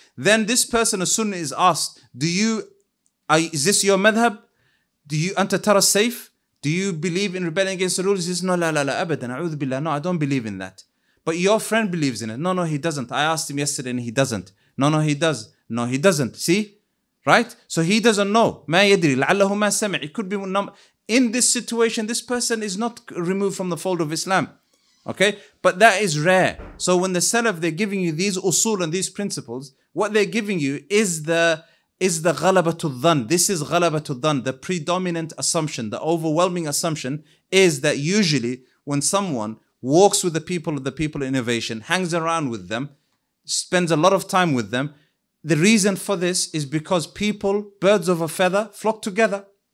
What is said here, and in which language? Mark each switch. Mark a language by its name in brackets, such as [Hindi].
[English] Then this person, a sunni, is asked, is this your madhab? Do you [Arabic] anta tara saif? [English] Do you believe in rebelling against the rulers? He says, no, [Arabic] la, la, la, abadan, a'udhu billah. [English] No, I don't believe in that. But your friend believes in it. No, he doesn't. I asked him yesterday and he doesn't. No, he does. No, he doesn't. See? Right? So he doesn't know. [Arabic] مَا يَدْرِي لَعَلَّهُ مَا سَمِعِ [English] It could be... In this situation, this person is not removed from the fold of Islam. Okay? But that is rare. So when the Salaf, they're giving you these usul and these principles, what they're giving you is the [Arabic] غَلَبَةُ الظَّنِ. [English] This is [Arabic] غَلَبَةُ الظَّنِ. [English] The predominant assumption, the overwhelming assumption is that usually when someone walks with the people of innovation, hangs around with them, spends a lot of time with them, the reason for this is because people, birds of a feather, flock together.